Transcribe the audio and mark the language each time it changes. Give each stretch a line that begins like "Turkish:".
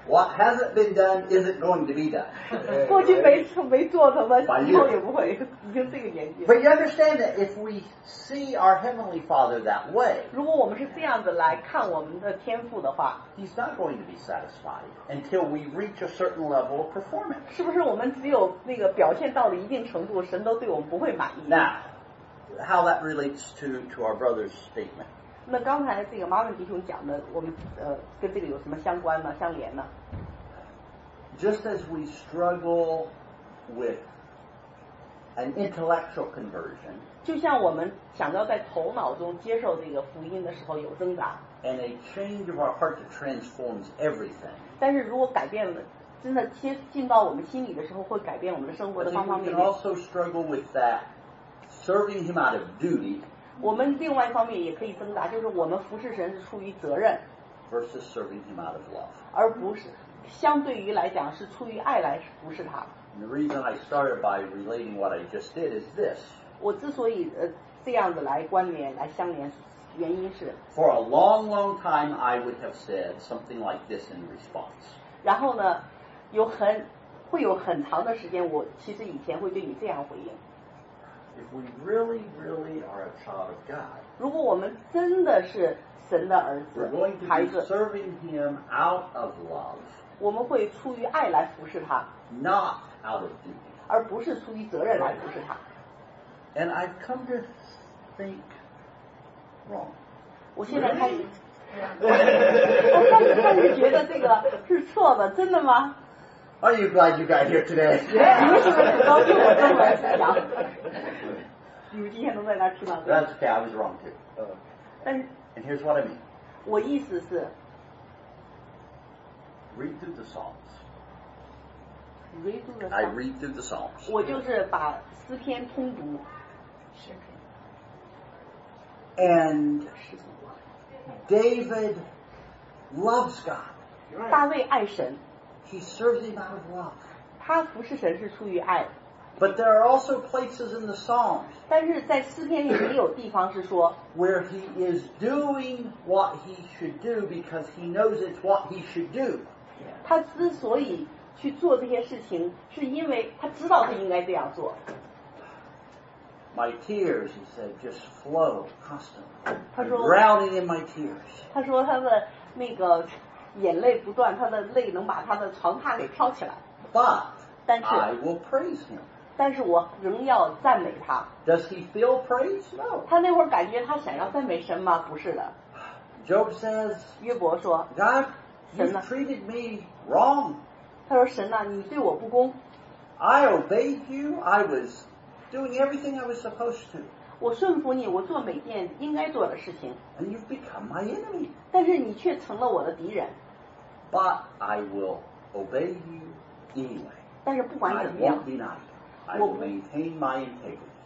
English: What hasn't been done isn't going to be done.
Chinese: 过去没做什么，以后也不会，已经这个年纪。
English: But you understand that if we see our heavenly Father that way,
Chinese: 如果我们是这样子来看我们的天父的话，
English: He's not going to be satisfied until we reach a certain level of performance.
Chinese: 是不是我们只有那个表现到了一定程度，神都对我们不会满意？
English: Now. How that relates to our brother's statement.
Chinese: 那刚才这个 Marvin 弟兄讲的，我们跟这个有什么相关呢？相连呢？
English: Just as we struggle with an intellectual conversion,
Chinese: 就像我们想到在头脑中接受这个福音的时候有挣扎。
English: And a change of our heart that transforms everything.
Chinese: 但是如果改变了，真的进到我们心里的时候，会改变我们的生活的方方面面。
English: We can also struggle with that, serving Him out of duty.
Chinese: 我们另外一方面也可以挣扎，就是我们服侍神是出于责任。
English: Versus serving Him out of love.
Chinese: 而不是相对于来讲是出于爱来服侍他。
English: And the reason I started by relating what I just did is this.
Chinese: 我之所以这样子来关联来相连。原因是
English: For a long, long time, I would have said something like this in response.
Chinese: 然后呢，会有很长的时间，我其实以前会对你这样回应。
English: If we really, really are a child of God,
Chinese: 如果我们真的是神的儿子，
English: we're going to be serving Him out of love.
Chinese: 我们会出于爱来服侍他
English: ，not out of duty.
Chinese: 而不是出于责任来服侍他。
English: And I've come to think.
Chinese: 我现在开始，我开始觉得这个是错的，真的吗
English: ？Are you glad you got here today？
Chinese: 你们是不是很高兴我跟我来分享？你们今天都在那儿听到的
English: ？That's okay, I was wrong too. And here's what I mean.
Chinese: 我意思是
English: ，read through the Psalms. Read through the. I read through the Psalms.
Chinese: 我就是把诗篇通读。
English: And David loves God.
Chinese: 大卫爱神。
English: He serves Him out of love.
Chinese: 他服侍神是出于爱。
English: But there are also places in the Psalms.
Chinese: 但是在诗篇里也有地方是说
English: where he is doing what he should do because he knows it's what he should do.
Chinese: 他之所以去做这些事情，是因为他知道他应该这样做。
English: My tears, he said, just flow constantly.
Chinese: 他说
English: drowning in my tears.
Chinese: 他说他的那个眼泪不断，他的泪能把他的床榻给飘起来。
English: But
Chinese: 但是
English: I will praise him.
Chinese: 但是我仍要赞美他。
English: Does he feel praise? No.
Chinese: 他那会儿感觉他想要赞美神吗？不是的。
English: Job says.
Chinese: 约伯说
English: God, you treated me wrong.
Chinese: 他说神呐，你对我不公。
English: I obeyed you. I was. Doing everything I was supposed to.
Chinese: 我顺服你，我做每件应该做的事情。
English: And you've become my enemy.
Chinese: 但是你却成了我的敌人。
English: But I will obey you anyway.
Chinese: 但是不管怎么样。
English: I won't deny you. I will maintain my integrity.